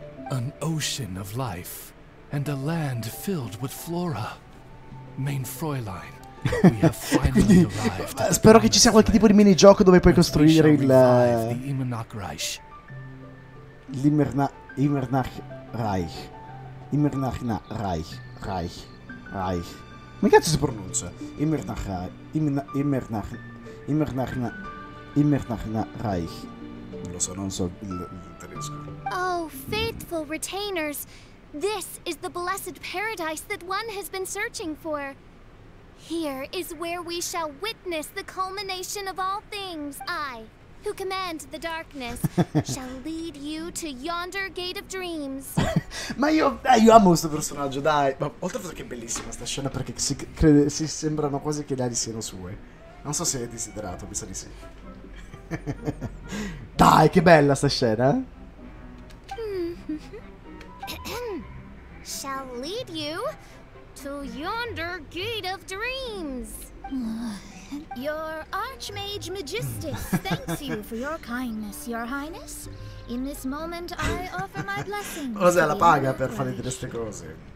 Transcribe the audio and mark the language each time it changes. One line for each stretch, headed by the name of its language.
English: An ocean of life, and a land filled with flora.
German: Main Fräulein,
English: we have finally
Italian: quindi,
English: arrived.
Italian: Spero che ci sia qualche tipo di minigioco dove puoi costruire il. Imanakraish. Imanakraish. Come cazzo si pronuncia? Imanakraish. Non lo so il tedesco.
English: Oh, faithful retainers, this is the blessed paradise that one has been searching for. Here is where we shall witness the culmination of all things. I, who command the darkness, shall lead you to yonder gate of dreams.
Italian: Ma io amo questo personaggio, dai. Ma oltre al fatto che è bellissima sta scena, perché si sembrano quasi che le ali siano sue. Non so se è desiderato, mi sa di sì. Dai, che bella sta scena.
English: Shall lead you to yonder gate of dreams. Your Archmage Magistus thanks you for your kindness, your highness. In this moment I offer my blessings.
Italian: Cos'è la paga per fare di queste cose?